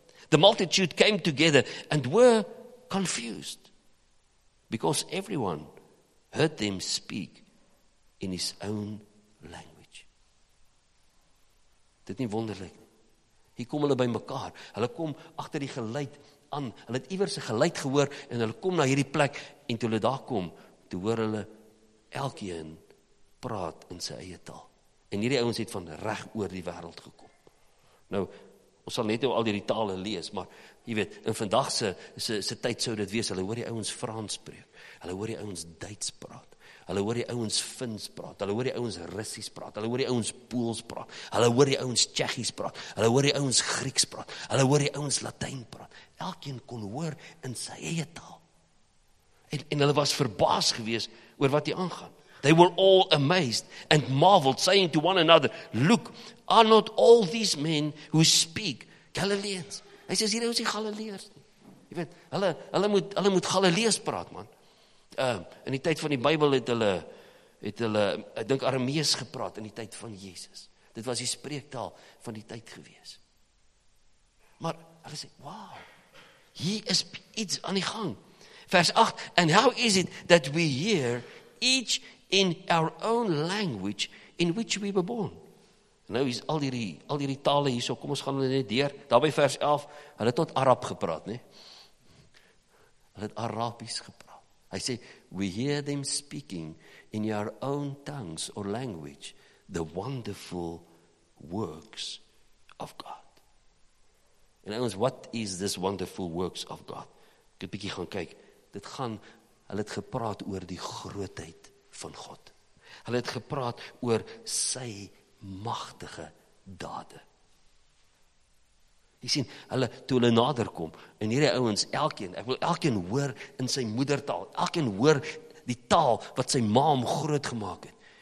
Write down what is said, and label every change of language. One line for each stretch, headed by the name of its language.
English: The multitude came together and were confused because everyone heard them speak in his own language.
Afrikaans: Dit nie wonderlik nie. Hier kom hulle by mekaar. Hulle kom agter die geluid aan. Hulle het iewers 'n geluid gehoor en hulle kom na hierdie plek en toe hulle daar kom, toe hoor hulle elkeen praat in sy eie taal. En hierdie ouens het van reg oor die wêreld gekom. Nou ons sal net nou al hierdie tale lees, maar jy weet, in vandag se tyd sou dit wees, hulle hoor die ouens Frans spreek, hulle hoor die ouens Duits praat, hulle hoor die ouens Fins praat, hulle hoor die ouens Russies praat, hulle hoor die ouens Pools praat, hulle hoor die ouens Tsjechies praat, hulle hoor die ouens Grieks praat, hulle hoor die ouens Latyn praat. Elkeen kon hoor in sy eie taal. En hulle was verbaas gewees oor wat hier aangaan.
English: They were all amazed and marveled, saying to one another, Look, are not all these men who speak Galileans?
Afrikaans: Hy sê, hier is die Galileers. Jy weet, hulle moet Galileers praat, man. In die tyd van die Bybel het hulle, ek dink, Aramees gepraat in die tyd van Jesus. Dit was die spreektaal van die tyd gewees. Maar hulle sê, wow, hier is iets aan die gang.
English: Vers 8, And how is it that we hear each in our own language in which we were born.
Afrikaans: Nou is al hierdie tale hierso, kom ons gaan net deur. Daarby vers 11, hulle het tot Arab gepraat, nê? Hulle het Arabies gepraat. Hy sê,
English: we hear them speaking in your own tongues or language the wonderful works of God.
Afrikaans: En ons,
English: what is this wonderful works of God?
Afrikaans: Ek het 'n bietjie gaan kyk. Dit gaan, hulle het gepraat oor die grootheid van God. Hulle het gepraat oor sy magtige dade. Jy sien, hulle, toe hulle nader kom, en hierdie ouens, elkeen, ek wil elkeen hoor in sy moedertaal, elkeen hoor die taal wat sy ma hom groot gemaak het.